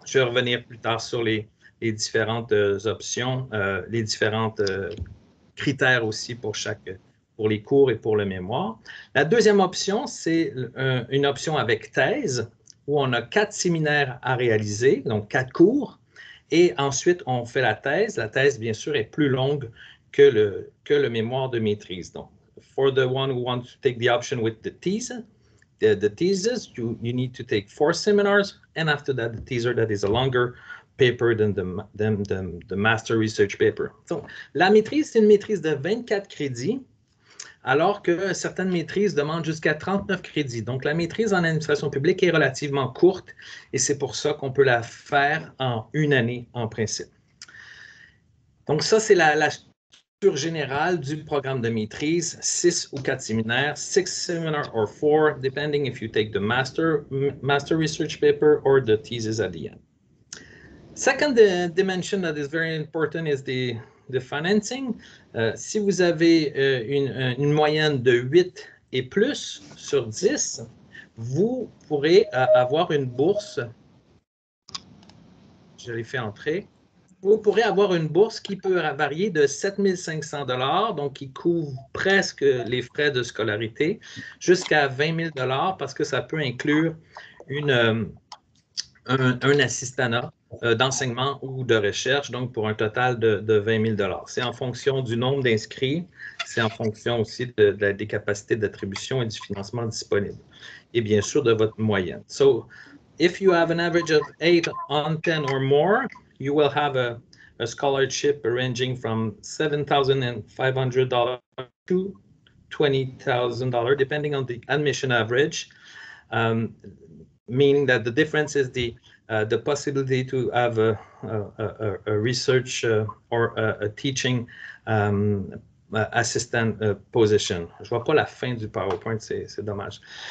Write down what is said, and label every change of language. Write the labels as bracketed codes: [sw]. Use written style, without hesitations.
[fr] Je vais revenir plus tard sur les différentes options, les différents critères aussi pour chaque pour les cours et pour le mémoire. La deuxième option, c'est une option avec thèse, où on a 4 séminaires à réaliser, donc 4 cours, et ensuite on fait la thèse. La thèse, bien sûr, est plus longue que le mémoire de maîtrise. [en] Donc, for the one who wants to take the option with the thesis, the thesis, you need to take 4 seminars, and after that, the thesis that is a longer paper than the master research paper. [fr] Donc, la maîtrise, c'est une maîtrise de 24 crédits, alors que certaines maîtrises demandent jusqu'à 39 crédits. Donc, la maîtrise en administration publique est relativement courte et c'est pour ça qu'on peut la faire en une année, en principe. Donc, ça, c'est la structure générale du programme de maîtrise, 6 ou 4 séminaires, [en] 6 seminars or 4, depending if you take the master research paper or the thesis at the end. Second dimension that is very important is the financing. [fr] Si vous avez une moyenne de 8 et plus sur 10, vous pourrez avoir une bourse. Je l'ai fait entrer. Vous pourrez avoir une bourse qui peut varier de 7 500 $, donc qui couvre presque les frais de scolarité, jusqu'à 20 000 $, parce que ça peut inclure un assistanat d'enseignement ou de recherche, donc pour un total de 20 000 $. C'est en fonction du nombre d'inscrits, c'est en fonction aussi de la décapacité d'attribution et du financement disponible, et bien sûr de votre moyenne. [en] So, if you have an average of 8 on 10 or more, you will have a scholarship ranging from $7,500 to $20,000, depending on the admission average, meaning that the difference is the possibility to have a research or a teaching assistant position. [fr] Je ne vois pas la fin du PowerPoint, c'est dommage.